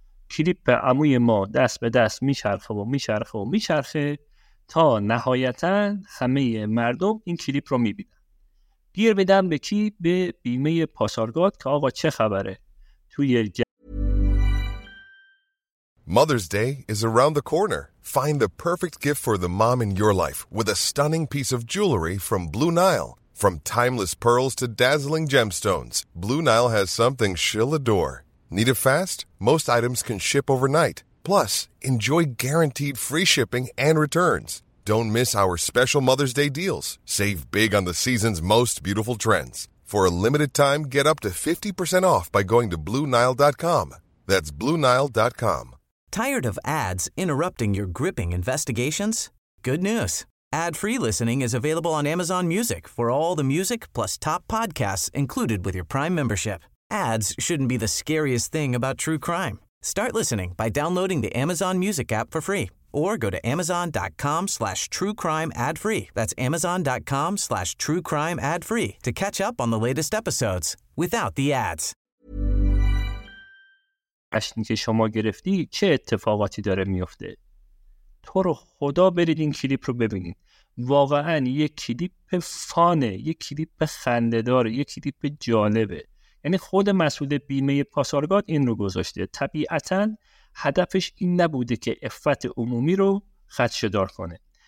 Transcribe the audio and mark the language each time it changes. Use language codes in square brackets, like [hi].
[fa] کلیپ عموی ما دست به دست میچرخه و میچرخه و میچرخه تا نهایتا همه مردم این کلیپ رو میبینن. گیر بدن به کی؟ به بیمه پاسارگاد که آقا چه خبره توی [en] Mother's Day is around the corner. Find the perfect gift for the mom in your life with a stunning piece of jewelry from Blue Nile. From timeless pearls to dazzling gemstones, Blue Nile has something she'll adore. Need it fast? Most items can ship overnight. Plus, enjoy guaranteed free shipping and returns. Don't miss our special Mother's Day deals. Save big on the season's most beautiful trends. For a limited time, get up to 50% off by going to BlueNile.com. That's BlueNile.com. Tired of ads interrupting your gripping investigations? Good news. Ad-free listening is available on Amazon Music for all the music plus top podcasts included with your Prime membership. Ads shouldn't be the scariest thing about true crime. Start listening by downloading the Amazon Music app for free or go to amazon.com/truecrimeadfree. That's amazon.com/truecrimeadfree to catch up on the latest episodes without the ads. [fa] جشنی که شما گرفتی چه اتفاقاتی داره میفته؟ تو رو خدا برید این کلیپ رو ببینید. واقعا یک کلیپ فانه، یک کلیپ خنده داره، یک کلیپ جالبه. یعنی خود مسئول بیمه پاسارگاد این رو گذاشته. طبیعتا هدفش این نبوده که عفت عمومی رو خدشه‌دار کنه.